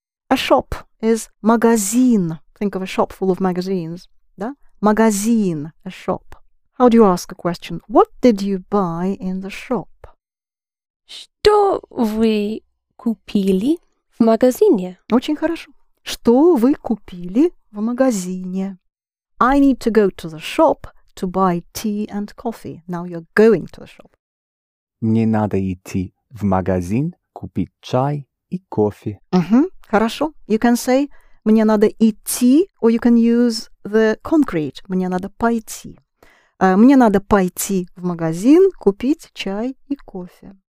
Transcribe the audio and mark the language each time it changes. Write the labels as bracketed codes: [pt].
[en] A shop is magazin. Think of a shop full of magazines. Да? Magazin, a shop. How do you ask a question? What did you buy in the shop? [ru] Что вы купили в магазине? Очень хорошо. Что вы купили в магазине? [en] I need to go to the shop to buy tea and coffee. Now you're going to the shop. [ru] Мне надо идти в магазин купить чай и кофе. [en] Mm-hmm. Хорошо. You can say [ru] «мне надо идти» [en] or you can use the concrete [ru] «мне надо пойти». «Мне надо пойти в магазин купить чай и кофе».